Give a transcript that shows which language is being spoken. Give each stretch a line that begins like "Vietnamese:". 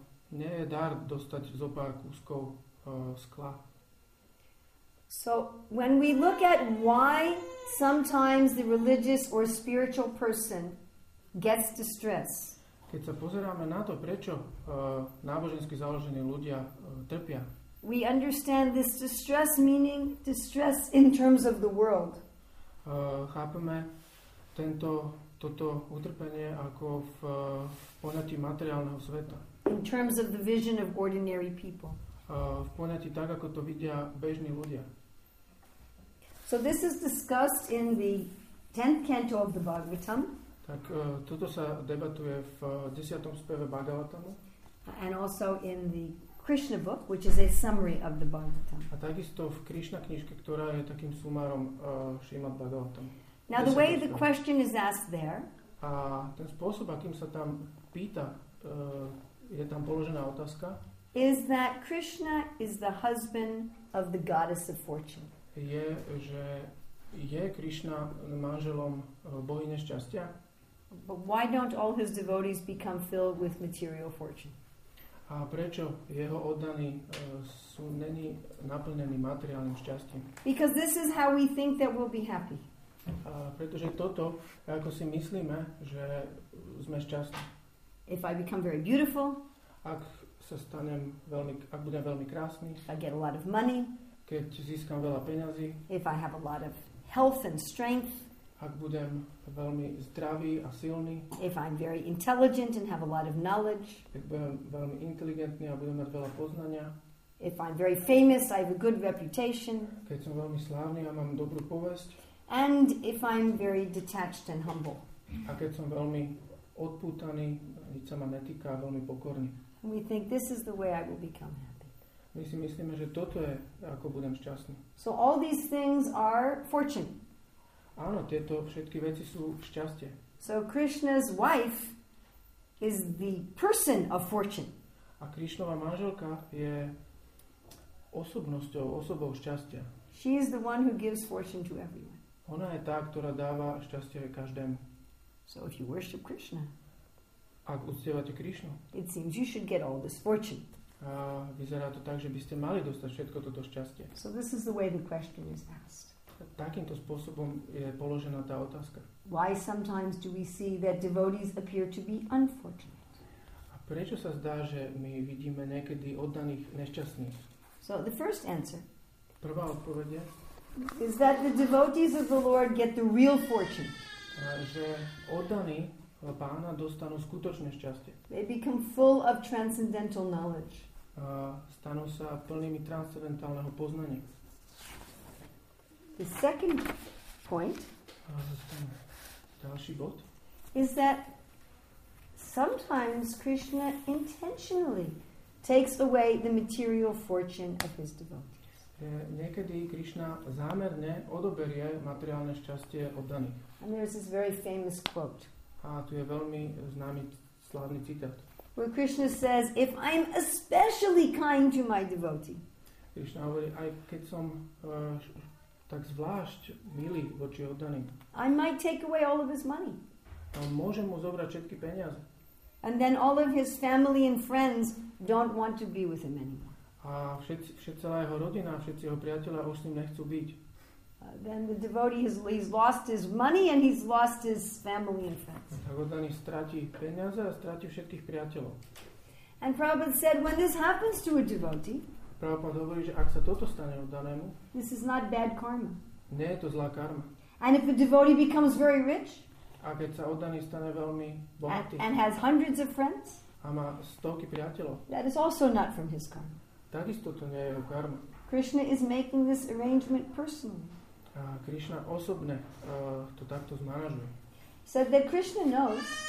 Slovak: Nie je dar dostať zo pár kúskov skla.
English: So when we look at why sometimes the religious or spiritual person gets distressed.
Slovak: Keď sa pozeráme na to, prečo nábožensky založení ľudia trpia.
English: We understand this distress meaning distress in terms of the world.
Slovak: Chápeme toto utrpenie ako v poňatí materiálneho sveta.
English: In terms of the vision of ordinary people.
Slovak: V poňatí tak, ako to vidia bežní ľudia.
English: So this is discussed in the 10th canto of the Bhagavatam.
Slovak: Tak toto sa debatuje v 10. speve Bhagavatamu.
English: And also in the Krishna book, which is a summary of the Bhagavatam.
Slovak: A takisto v Krishna knižke, ktorá je takým sumárom Srimad Bhagavatam.
English: Now the way the question is asked there.
Slovak: A ten spôsob, akým sa tam pýta, je tam položená otázka.
English: Is that Krishna is the husband of the goddess of fortune.
Slovak: Je, že je Krishna manželom bohyne šťastia?
English: But why don't all his devotees become filled with material fortune?
Slovak: A prečo jeho oddaní sú není naplnení materiálnym šťastím?
English: Because this is how we think that we'll be happy.
Slovak: Pretože toto, ako si myslíme, že sme šťastní.
English: If I become very beautiful,
Slovak: ak sa stanem veľmi, ak budem veľmi krásny,
English: I get a lot of money,
Slovak: keď získam veľa peňazí,
English: if I have a lot of health and strength,
Slovak: ak budem veľmi zdravý a silný,
English: if I'm very intelligent and have a lot of knowledge,
Slovak: ak budem veľmi inteligentný a budem mať veľa poznania,
English: if I'm very famous, I have a good reputation,
Slovak: keď som veľmi slávny a mám dobrú povesť,
English: and if I'm very detached and humble,
Slovak: a keď som veľmi odpútaný, nič sa ma netýka, veľmi pokorný.
English: We think this is the way I will become happy.
Slovak: My si myslíme, že toto je, ako budem šťastný.
English: So all these things are fortune.
Slovak: Áno, tieto všetky veci sú šťastie.
English: So Krishna's wife is the person of fortune.
Slovak: A Krishnova manželka je osobnosťou, osobou šťastia.
English: She is the one who gives fortune to everyone.
Slovak: Ona je tá, ktorá dáva šťastie každému.
English: So if you worship Krishna,
Slovak: ak uctievate Krishnu,
English: it seems you should get all this fortune.
Slovak: A vyzerá to tak, že by ste mali dostať všetko toto šťastie.
English: So this is the way the question is asked.
Slovak: Takýmto spôsobom je položená tá otázka.
English: Why sometimes do we see that devotees appear to be unfortunate?
Slovak: A prečo sa zdá, že my vidíme niekedy oddaných nešťastných?
English: So the first answer.
Slovak: Prvá odpoveď je,
English: is that the devotees of the Lord get the real fortune.
Slovak: Že oddaní Pána dostanú skutočné šťastie.
English: They become full of transcendental knowledge.
Slovak: Stanú sa plnými transcendentálneho poznania.
English: The second point.
Slovak: Ďalší bod.
English: is that sometimes Krishna intentionally takes away the material fortune of his devotees.
Slovak: Niekedy Krishna zámerne odoberie materiálne šťastie oddaných.
English: And there is this very famous quote.
Slovak: A tu je veľmi známy slávny citát.
English: Where Krishna says, if I'm especially kind to my devotee.
Slovak: Krishna hovorí, aj keď som tak zvlášť milý voči oddaným.
English: I might take away all of his money.
Slovak: A môžem mu zobrať všetky peniaze.
English: And then all of his family and friends don't want to be with him anymore.
Slovak: A celá jeho rodina, všetci jeho priatelia už s ním nechcú byť.
English: Then the devotee has lost his money and he's lost his family and friends.
Slovak: Tak oddaný stratí peniaze a stratí všetkých priateľov.
English: And Prabhupada said, when this happens to a devotee,
Slovak: Prabhupada hovorí, že ak sa toto stane oddanému,
English: this is not bad karma.
Slovak: Nie je to zlá karma.
English: And if a devotee becomes very rich,
Slovak: a keď sa oddaný stane veľmi bohatý,
English: and has hundreds of friends,
Slovak: a má stovky priateľov,
English: that is also not from his karma.
Slovak: Takisto to nie je jeho karma.
English: Krishna is making this arrangement personally.
Slovak: A Krishna osobne to takto zmanažuje.
English: So that Krishna knows,